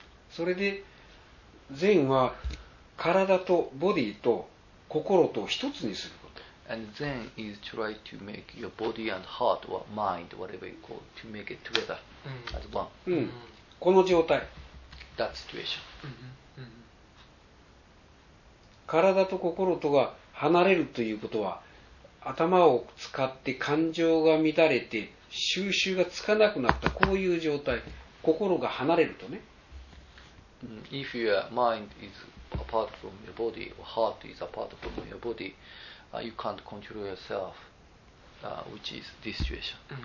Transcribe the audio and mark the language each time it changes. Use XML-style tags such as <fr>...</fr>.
<ja>それで禅は体とボディと心と一つにする。</ja> <en>And Zen is try to make your body and heart or mind, whatever you call, to make it together as one.</en> <ja>うん。この状態。</ja> <en>That situation. うんうん。</en> <ja>体と心とが離れるということは、頭を使って感情が乱れて収集がつかなくなった、こういう状態。心が離れるとね。</ja> <en>If your mind is apart from your body, or heart is apart from your body,you can't control yourself, which is this situation.</en>